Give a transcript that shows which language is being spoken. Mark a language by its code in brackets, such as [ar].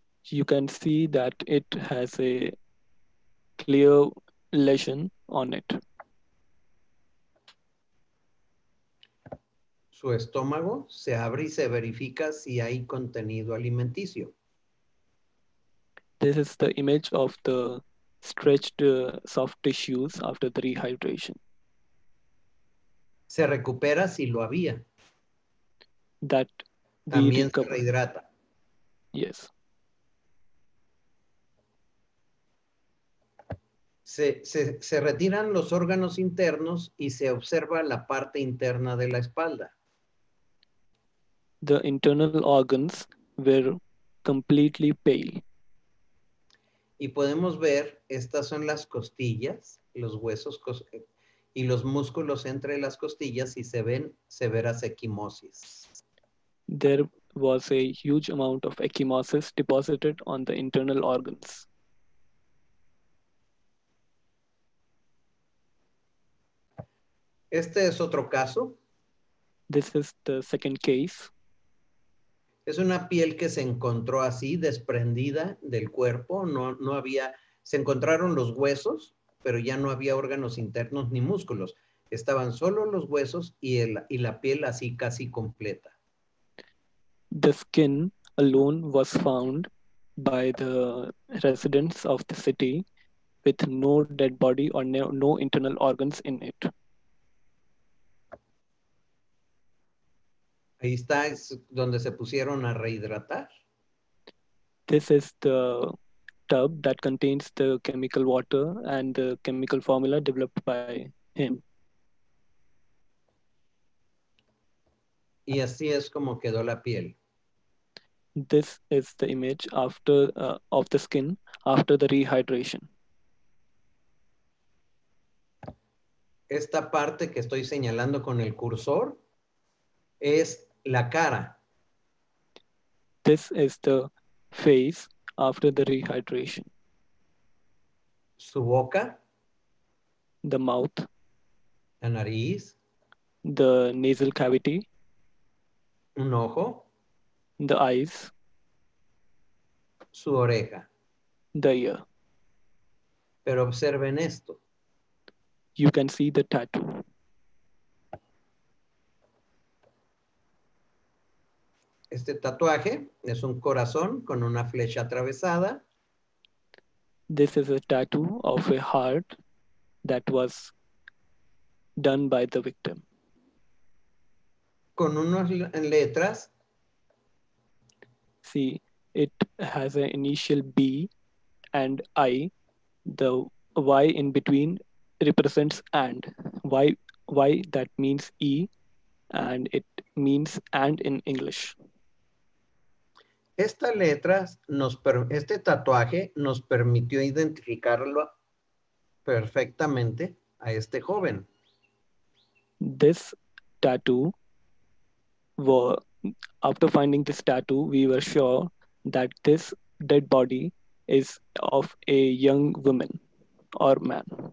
[en] You can see that it has a clear lesion on it. [es] Su estómago se abre y se verifica si hay contenido alimenticio. [en] This is the image of the stretched soft tissues after the rehydration. [es] Se recupera si lo había. [en] That [es] también se rehidrata. [en] Yes. [es] Se retiran los órganos internos y se observa la parte interna de la espalda. [en] The internal organs were completely pale. [es] Y podemos ver, estas son las costillas, los huesos y los músculos entre las costillas y se ven severas ecquimosis. [en] There was a huge amount of ecchymosis deposited on the internal organs. [es] Este es otro caso. [en] This is the second case. [es] Es una piel que se encontró así, desprendida del cuerpo. No había Se encontraron los huesos, pero ya no había órganos internos ni músculos. Estaban solo los huesos y la piel así casi completa. [en] The skin alone was found by the residents of the city with no dead body or no internal organs in it. [es] Ahí está, es donde se pusieron a rehidratar. [en] This is the tub that contains the chemical water and the chemical formula developed by him. [es] Y así es como quedó la piel. [en] This is the image after of the skin after the rehydration. [es] Esta parte que estoy señalando con el cursor es la cara. [en] This is the face after the rehydration. [es] Su boca. [en] The mouth. [es] La nariz. [en] The nasal cavity. [es] Un ojo. [en] The eyes. [es] Su oreja. [en] The ear. [es] Pero observen esto. [en] You can see the tattoo. [es] Este tatuaje es un corazón con una flecha atravesada. [en] This is a tattoo of a heart that was done by the victim. [es] Con unas letras. [en] See, it has an initial B and I. The Y in between represents and. Y that means E, and it means and in English. [es] Estas letras, este tatuaje nos permitió identificarlo perfectamente a este joven. [en] This tattoo, after finding this tattoo, we were sure that this dead body is of a young woman or man.